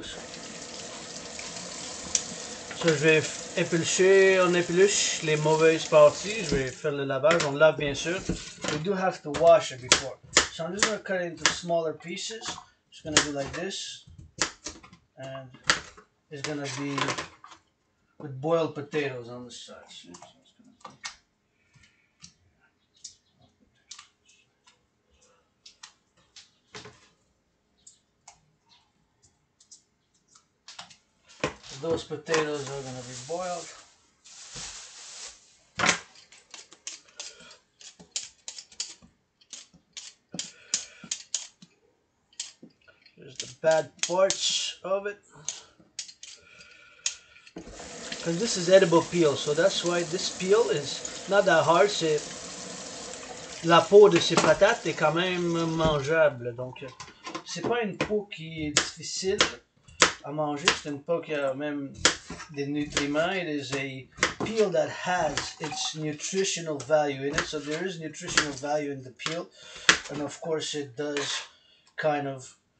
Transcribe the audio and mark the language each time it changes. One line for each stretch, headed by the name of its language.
French: So je vais éplucher en épluche les mauvaises parties. Je vais faire le lavage. On lave bien sûr.
English: We do have to wash it before. So I'm just gonna cut it into smaller pieces. Just gonna do like this. And it's gonna be with boiled potatoes on the side. So those potatoes are gonna be boiled. There's the bad parts of it. And this is edible peel, so that's why this peel is not that hard.
French: C'est la peau de ces patates est quand même mangeable. Donc, c'est pas une peau qui est difficile à manger. C'est une peau qui a même des nutriments.
English: It is a peel that has its nutritional value in it. So there is nutritional value in the peel, and of course, it does kind of.